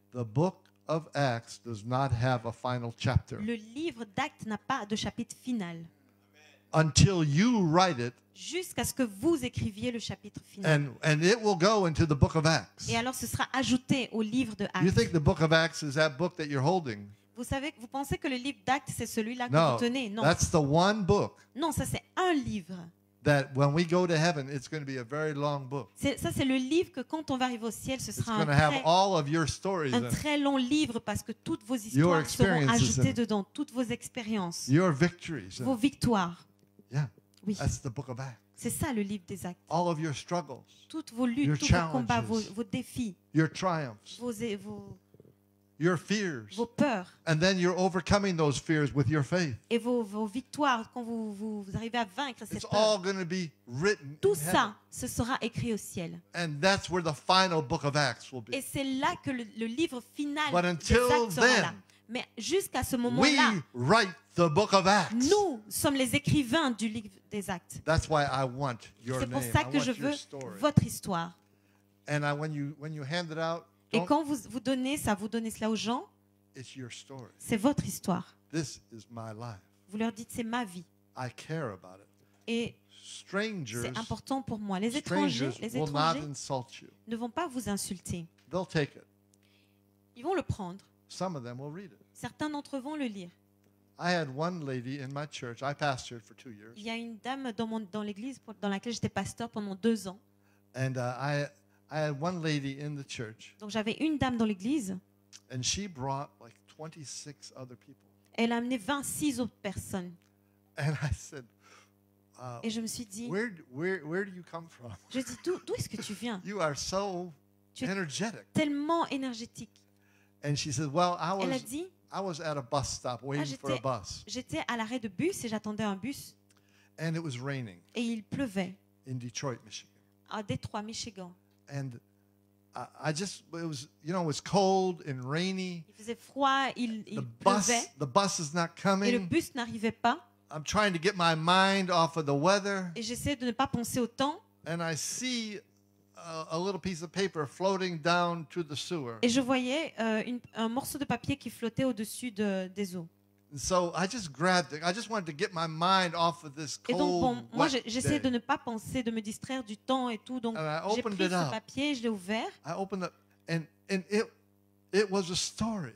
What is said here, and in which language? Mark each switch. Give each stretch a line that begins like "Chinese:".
English: The book of Acts does not have a final chapter.
French: Le livre d'Actes n'a pas de chapitre final.
English: Until you write it.
French: Jusqu'à ce que vous écriviez le chapitre final.
English: And it will go into the book of Acts.
French: Et alors, ce sera ajouté au livre de Actes.
English: You think the book of Acts is that book that you're holding?
French: Vous savez, vous pensez que le livre d'Actes c'est celui-là
English: no,
French: que vous tenez? Non.
English: That's the one book.
French: Non, ça c'est un livre.
English: That when we go to heaven, it's going to be a very long book.
French: Ça c'est le livre que quand on va arriver au ciel, ce sera
English: it's going to have all of your stories
French: un très long livre parce que toutes vos histoires seront ajoutées dedans, toutes vos expériences.
English: Your victories.
French: Vos victoires.
English: Yeah.
French: Oui.
English: That's the book of Acts.
French: C'est ça le livre des Actes.
English: All of your struggles.
French: Toutes vos luttes,
English: your
French: tous vos combats, vos défis.
English: Your triumphs. Your fears.
French: Vos peurs.
English: And then you're overcoming those fears with your faith.
French: Et vos victoires quand vous arrivez à vaincre cette
English: It's
French: peur.
English: All going to be written
French: Tout
English: in
French: ça,
English: heaven.
French: Ce sera écrit au ciel.
English: And that's where the final book of Acts will be.
French: Et c'est là que le livre final
English: But until
French: des Actes
English: then,
French: sera là. Mais jusqu'à ce moment-là,
English: we write the book of Acts.
French: Nous sommes les écrivains du livre des Actes.
English: That's why I want your
French: c'est pour
English: name.
French: Ça que
English: I
French: je veux votre histoire.
English: And when you hand it out,
French: Et quand vous donnez ça, vous donnez cela aux gens,
English: It's your story.
French: C'est votre histoire.
English: This is my life.
French: Vous leur dites, c'est ma vie.
English: I care about it.
French: Et
English: strangers,
French: c'est important pour moi. Les étrangers, ne vont pas vous insulter.
English: They'll take it.
French: Ils vont le prendre.
English: Some of them will read it.
French: Certains d'entre eux vont le lire.
English: I had one lady in my church. I pastored for 2 years.
French: Il y a une dame dans l'église dans laquelle j'étais pasteur pendant 2 ans.
English: And I had one lady in the church.
French: Donc j'avais une dame dans l'église.
English: And she brought like 26 other people.
French: Elle a amené 26 autres personnes.
English: And I said,
French: Et je me suis dit,
English: where do you come from?
French: Je dis d'où est-ce que tu viens?
English: You are so energetic.
French: Tellement énergétique.
English: And she said, well, I was at a bus stop waiting for a bus.
French: J'étais à l'arrêt de bus et j'attendais un bus.
English: And it was raining.
French: Et il pleuvait.
English: In Detroit, Michigan.
French: À Détroit, Michigan.
English: And it was cold and rainy.
French: Il faisait froid, il pleuvait.
English: The bus is not coming.
French: Et le bus n'arrivait pas.
English: I'm trying to get my mind off of the weather.
French: Et j'essaie de ne pas penser au temps.
English: And I see a little piece of paper floating down to the sewer.
French: Et je voyais un morceau de papier qui flottait au-dessus des eaux.
English: So I just grabbed it. I just wanted to get my mind off of this cold, wet day.
French: Et donc bon, moi j'essaie de ne pas penser, de me distraire du temps et tout. Donc j'ai pris ce papier, je l'ai ouvert.
English: I opened it up, and it It was a story.